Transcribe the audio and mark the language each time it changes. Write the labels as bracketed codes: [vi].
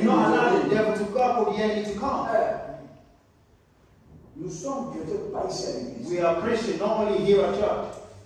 [en] Do not allow the devil to come or the enemy to come. [fr] Nous sommes peut-être pas ici à l'église. [en] We are Christians, not only here at church.